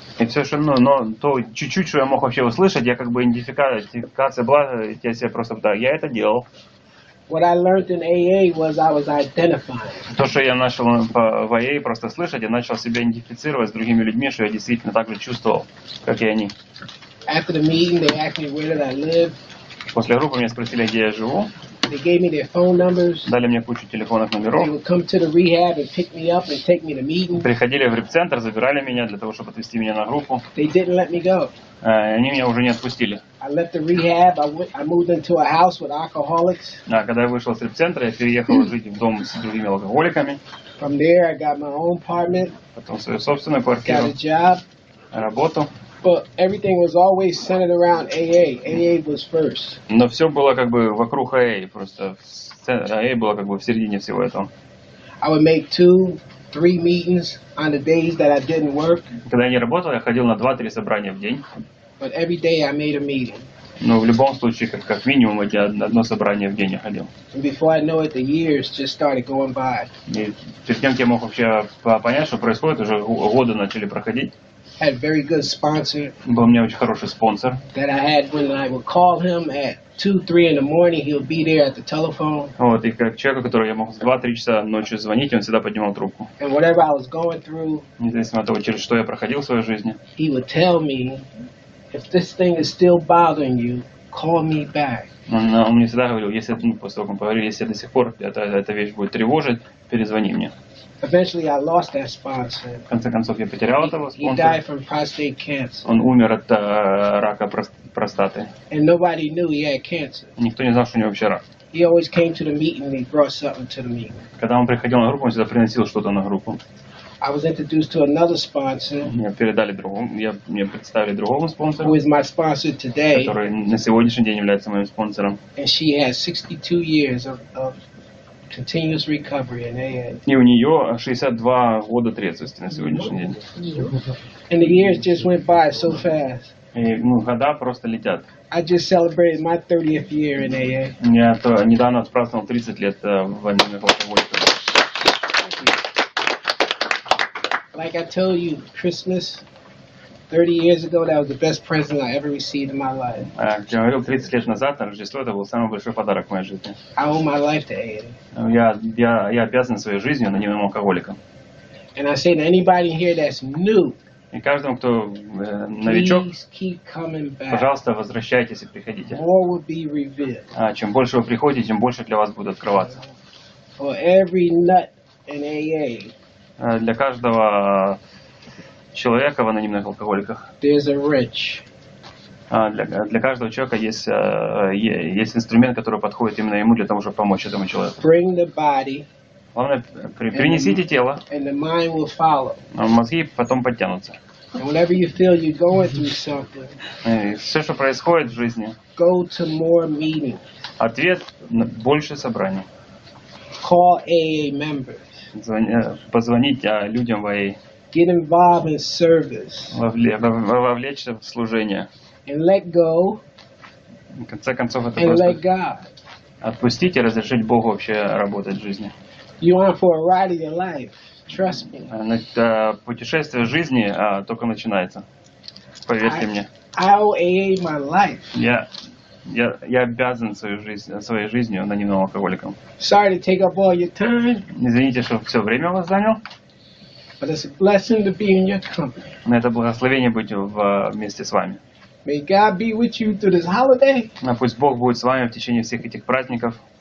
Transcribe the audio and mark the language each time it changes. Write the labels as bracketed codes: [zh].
[ru] И все, что, то чуть-чуть, что я мог вообще услышать, я как бы идентификация была, я себе просто, да, я это делал. [en] What I learned in AA was I was identifying. [ru] То, что я начал в AA просто слышать, я начал себя идентифицировать с другими людьми, что я действительно так же чувствовал, как и они. [en] After the meeting, they asked me where did I live. [ru] После группы меня спросили, где я живу. [en] They gave me their phone numbers. [ru] Дали мне кучу телефонных номеров. [en] They would come to the rehab and pick me up and take me to meeting. [ru] Приходили в реп-центр, забирали меня для того, чтобы отвезти меня на группу. [en] They didn't let me go. [ru] Они меня уже не отпустили. [en] I left the rehab. I moved into a house with alcoholics. [ru] Да, когда я вышел из реп-центра, я переехал жить в дом с другими алкоголиками. [en] From there, I got my own apartment. [ru] Потом свою собственную квартиру. [en] Got a job. [ru] Работу. [en] But everything was always centered around AA. AA was first. [ru] Но все было как бы вокруг AA, просто AA было как бы в середине всего этого. [en] I would make 2-3 meetings on the days that I didn't work. [ru] Когда я не работал, я ходил на 2-3 собрания в день. [en] But every day I made a meeting. [ru] Но в любом случае, как минимум, я на одно собрание в день ходил. [en] Before I know it, the years just started going by. [ru] И перед тем, как я мог вообще понять, что происходит, уже годы начали проходить. [en] Had very good sponsor. [ru] Был у меня очень хороший спонсор. [en] That I had when I would call him at 2-3 in the morning, he'll be there at the telephone. [ru] Вот, и как человека, которого я мог в 2-3 часа ночью звонить, он всегда поднимал трубку. [en] And whatever I was going through. [ru] Независимо от того, через что я проходил в своей жизни. [en] He would tell me, if this thing is still bothering you, call me back. [ru] Он мне всегда говорил, если после того, как он поговорил, если до сих пор эта вещь будет тревожить, перезвони мне. [en] Eventually, I lost that sponsor. [ru] В конце концов, я потерял этого спонсора. [en] He died from prostate cancer. [ru] Он умер от рака простаты. [en] And nobody knew he had cancer. [ru] Никто не знал, что у него вообще рак. [en] He always came to the meeting and he brought something to the meeting. [ru] Когда он приходил на группу, он всегда приносил что-то на группу. [en] I was introduced to another sponsor. [ru] Мне представили другого спонсора. [en] Who is my sponsor today? [ru] Который на сегодняшний день является моим спонсором. [en] And she has 62 years of continuous recovery in AA. [ru] И у нее 62 года трезвости на сегодняшний день. [en] And the years just went by so fast. [ru] И года просто летят. [en] I just celebrated my 30th year in AA. [ru] Я недавно отпраздновал 30 лет в алкоголике. [en] Like I told you, Christmas 30 years ago, that was the best present I ever received in my life. [ru] Я говорил 30 лет назад, на Рождество, это был самый большой подарок в моей жизни. [en] I owe my life to AA. [ru] Я обязан своей жизнью анонимным алкоголикам. [en] And I say to anybody here that's new. [ru] И каждому, кто новичок, [en] please keep coming back. [ru] Пожалуйста, возвращайтесь и приходите. [en] More will be revealed. [ru] Чем больше вы приходите, тем больше для вас будет открываться. [en] For every nut in AA. [ru] Для каждого человека в анонимных алкоголиках. [en] There's a wrench. [ru] Для каждого человека есть инструмент, который подходит именно ему для того, чтобы помочь этому человеку. [en] Bring the body. [ru] Главное, принесите тело. [en] And the mind will follow. [ru] Мозги потом подтянутся. [en] And whenever you feel you're going through something. [ru] Все, что происходит в жизни. [en] Go to more meetings. [ru] Ответ на больше собраний. [en] Call AA members. [ru] Позвонить людям в AA. [en] Get involved in service. [ru] Вовлечься в служение. [en] And let go. [ru] В конце концов, это [en] and let God. [ru] Отпустить и разрешить Богу вообще работать в жизни. [en] You are for a ride in your life. Trust me. [ru] Путешествие жизни только начинается. Поверьте мне. [en] I owe AA my life. [ru] Я обязан своей жизнью анонимным алкоголиком. [en] Sorry to take up all your time. [ru] Извините, что все время вас занял. [en] But it's a blessing to be in your company. [ru] Это благословение быть вместе с вами. [en] May God be with you through this holiday. [ru] Пусть Бог будет с вами в течение всех этих праздников.